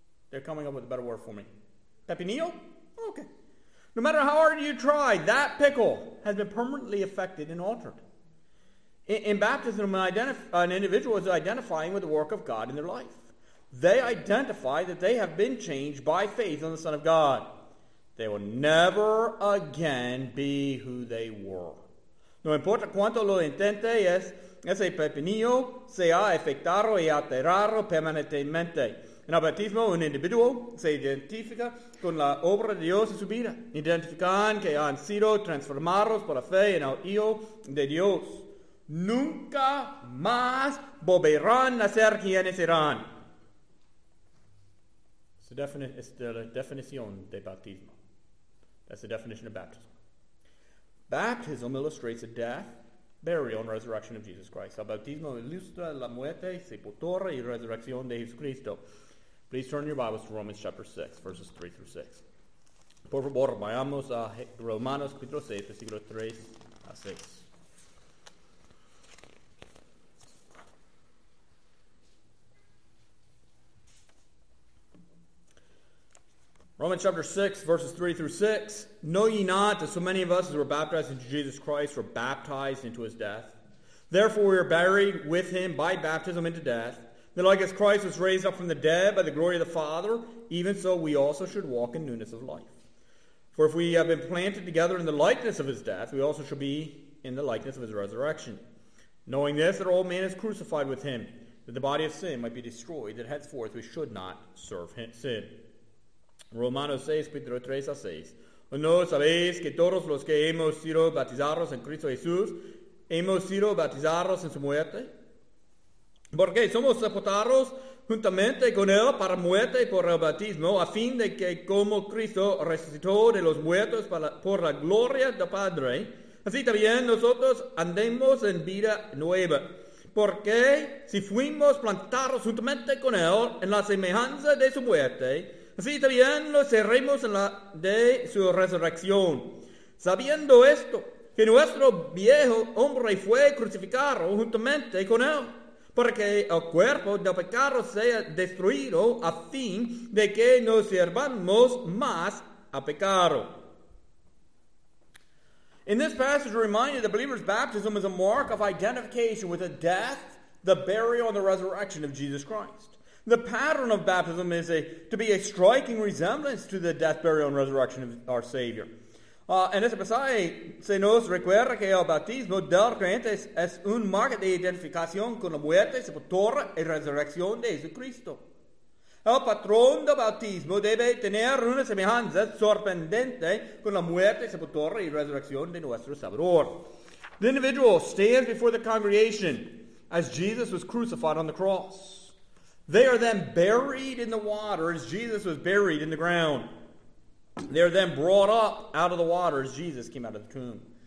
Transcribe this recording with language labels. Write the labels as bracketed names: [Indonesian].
[English] They're coming up with a better word for me. [Spanish] ¿Pepinillo? [English] Okay. No matter how hard you try, that pickle has been permanently affected and altered. In baptism, an individual is identifying with the work of God in their life. They identify that they have been changed by faith in the Son of God. They will never again be who they were. [Spanish] No importa cuánto lo intente, ese pepinillo se ha afectado y alterado permanentemente. En el bautismo, un individuo se identifica con la obra de Dios en su vida. Identifican que han sido transformados por la fe en el Hijo de Dios. Nunca más volverán a ser quienes serán. Es la definición de bautismo. [English] That's the definition of baptism. Baptism illustrates the death, burial, and resurrection of Jesus Christ. [Spanish] El bautismo ilustra la muerte, sepultura y resurrección de Jesucristo. [English] Please turn your Bibles to Romans chapter 6, verses 3 through 6. [Spanish] Por favor, vayamos a Romanos capítulo 6, versículo 3 a 6. [English] Romans chapter 6, verses 3 through 6. Know ye not that so many of us as were baptized into Jesus Christ were baptized into his death? Therefore we are buried with him by baptism into death, that like as Christ was raised up from the dead by the glory of the Father, even so we also should walk in newness of life. For if we have been planted together in the likeness of his death, we also shall be in the likeness of his resurrection. Knowing this, that our old man is crucified with him, that the body of sin might be destroyed, that henceforth we should not serve sin. [Spanish] Romanos 6, capítulo 3 a 6. ¿No sabéis que todos los que hemos sido bautizados en Cristo Jesús hemos sido bautizados en su muerte? Porque somos sepultados juntamente con él para muerte por el bautismo, a fin de que como Cristo resucitó de los muertos por la gloria del Padre, así también nosotros andemos en vida nueva. Porque si fuimos plantados juntamente con él en la semejanza de su muerte, así también lo seremos en la de su resurrección. Sabiendo esto, que nuestro viejo hombre fue crucificado juntamente con él, para que el cuerpo del pecado sea destruido a fin de que no sirvamos más a pecado. [English] In this passage, we're reminded that believer's baptism is a mark of identification with the death, the burial, and the resurrection of Jesus Christ. The pattern of baptism is to be a striking resemblance to the death, burial, and resurrection of our Savior. [Spanish] En ese pasaje se nos recuerda que el bautismo del creyente es un marco de identificación con la muerte, sepultura y resurrección de Jesucristo. El patrón del bautismo debe tener una semejanza sorprendente con la muerte, sepultura y resurrección de nuestro Salvador. [English] The individual stands before the congregation as Jesus was crucified on the cross. They are then buried in the water as Jesus was buried in the ground. They are then brought up out of the water as Jesus came out of the tomb.